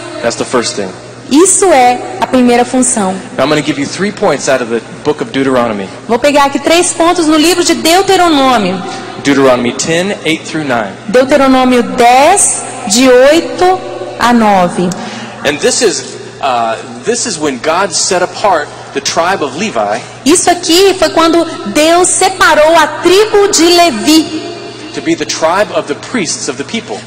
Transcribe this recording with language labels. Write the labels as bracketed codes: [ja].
[en] That's the first thing. [pt] Isso é a primeira função. [en] Now I'm going to give you 3 points out of the book of Deuteronomy. [pt] Vou pegar aqui 3 pontos no livro de Deuteronômio. [en] Deuteronomy 10, 8 through 9. [pt] Deuteronômio 10, de 8 a 9. [en] And this is when God set apart the tribe of Levi. [pt] Isso aqui foi quando Deus separou a tribo de Levi. [en] To be the tribe of the priests of the people.